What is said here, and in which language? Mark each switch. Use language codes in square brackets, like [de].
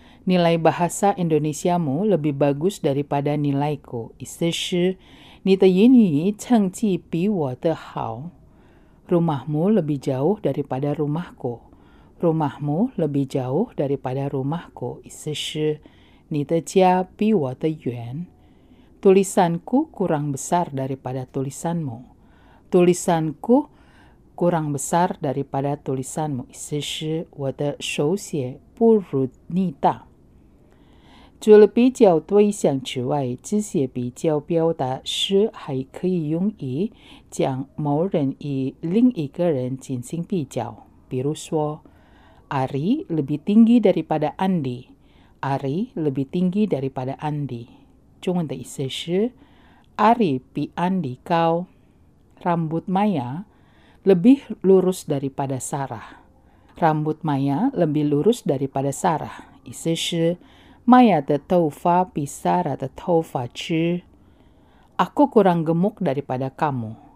[id] Nilai bahasa Indonesiamu lebih bagus daripada nilaiku. [zh] 意思是你的英语成绩比我的好。 [id] Rumahmu lebih jauh daripada rumahku. Rumahmu lebih jauh daripada rumahku. [zh] 意思是你的家比我的远。 [id] Tulisanku kurang besar daripada tulisanmu. Tulisanku kurang besar daripada tulisanmu. [zh] 意思是我的手写不如你大。除了比较对象之外，这些比较表达时还可以用于将某人与另一个人进行比较。比如说 [id] ，Ari lebih tinggi daripada Andy. Ari lebih tinggi daripada Andy. [zh] 中文的意思是 ，Ari 比 Andy 高。 [id] Rambut Maya lebih lurus daripada Sarah. Rambut Maya lebih lurus daripada Sarah. [zh] 意思是Maya 的头发比 Sarah 的头发直。 [id] Aku kurang gemuk daripada kamu.